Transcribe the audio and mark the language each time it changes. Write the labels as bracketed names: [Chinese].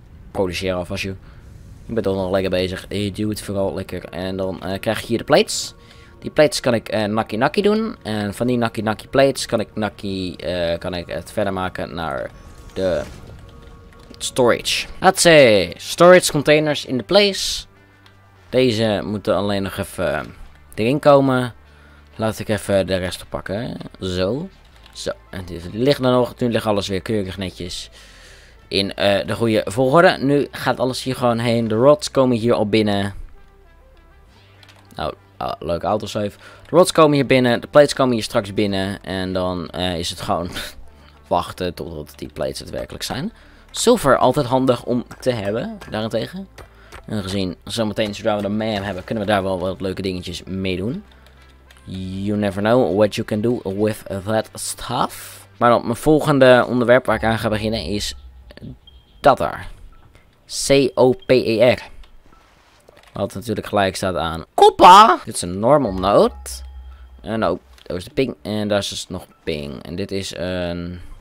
[Dutch] Produceer af als je. Ik ben toch nog lekker bezig. Je duwt vooral lekker. En dan krijg je hier de plates. Die plates kan ik nakkie nakkie doen. En van die nakkie nakkie plates kan ik het verder maken naar de storage. [English] Let's say storage containers in the place. [Dutch] Deze moeten alleen nog even erin komen. Laat ik even de rest oppakken. Zo. Zo. En dit ligt er nog. Nu ligt alles weer keurig netjes in de goede volgorde. Nu gaat alles hier gewoon heen. De rods komen hier al binnen. Nou, leuke autosave. De rods komen hier binnen. De plates komen hier straks binnen. En dan is het gewoon wachten totdat die plates het werkelijk zijn. Zilver altijd handig om te hebben, daarentegen. En gezien, zometeen zodra we de man hebben, kunnen we daar wel wat leuke dingetjes mee doen. [English] You never know what you can do with that stuff. [Dutch] Maar dan, mijn volgende onderwerp waar ik aan ga beginnen is dat daar. C-O-P-E-R. Wat natuurlijk gelijk staat aan koppa. Dit is een normal note. En ook, daar is de ping. En daar is dus nog ping. En dit is een...